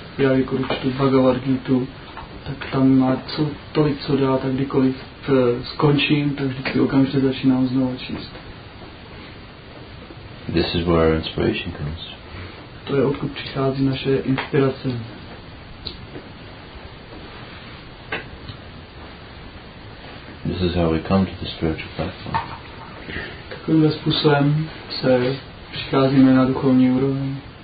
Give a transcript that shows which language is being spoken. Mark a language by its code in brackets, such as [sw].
[cs] Já když čtu Bhagavad Gitu, tak tam má tolik co dá, tak kdykoliv skončím, tak vždycky okamžitě začínám znovu číst. [en] This is where our inspiration comes. [cs] To je odkud přichází naše inspirace. [en] This is how we come to the spiritual platform. [cs] Takovýmhle způsobem se přicházíme na duchovní úroveň.